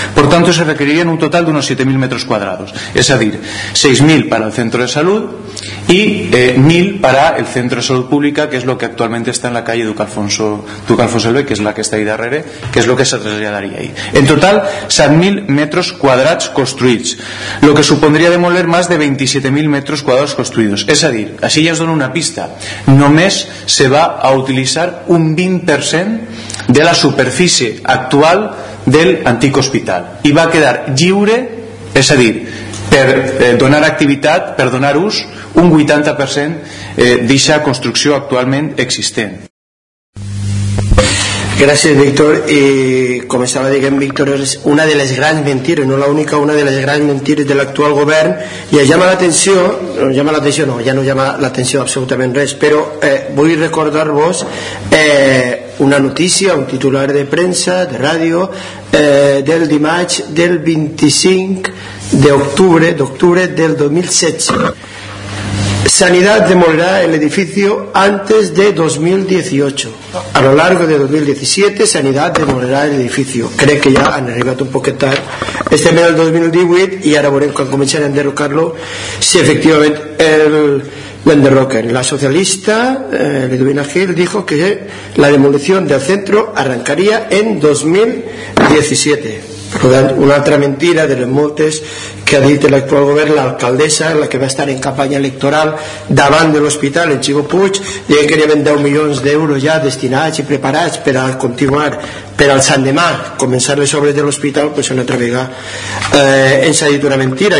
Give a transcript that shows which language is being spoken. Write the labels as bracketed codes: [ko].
[es] Por tanto, se requerirían un total de unos 7.000 metros cuadrados, es decir, 6.000 para el centro de salud y 1.000 para el centro de salud pública, que es lo que actualmente está en la calle Duc Alfonso Elbe, que es la que está ahí de arrere, que es lo que se trasladaría ahí. En total, 7.000 metros cuadrados construidos, lo que supondría demoler más de 27.000 metros cuadrados construidos. Es decir, así ya os doy una pista, només se va a utilizar un 20% de la superficie actual del antic hospital y va a quedar lliure, es decir, [ca] per donar activitat, per donar ús, un 80% d'aquesta construcció actualment existent. Gràcies, Víctor. Com estava dient Víctor, és una de les grans mentires, no l'única, una de les grans mentires de l'actual govern, i ja no llama l'atenció absolutament res, però vull recordar-vos una notícia, un titular de premsa, de ràdio, del dimarts del 25 d'octubre del 2016. [es] Sanidad demolerá el edificio antes de 2018. A lo largo de 2017, Sanidad demolerá el edificio. [ca] Crec que ja han arribat un poquet tard. Estem en el 2018 i ara veurem quan començaran a enderrocar-lo si efectivament l'enderroquen. [es] La socialista, Edwina Gil, dijo que la demolición del centro arrancaría en 2017. [ca] Una altra mentira de les moltes que ha dit l'actual govern, l'alcaldessa, la que va estar en campanya electoral davant de l'hospital, en Xivo Puig, dient que hi havia 10 milions d'euros ja destinats i preparats per a continuar, per al sant demà, començar les obres de l'hospital, doncs una altra vegada ens ha dit una mentira.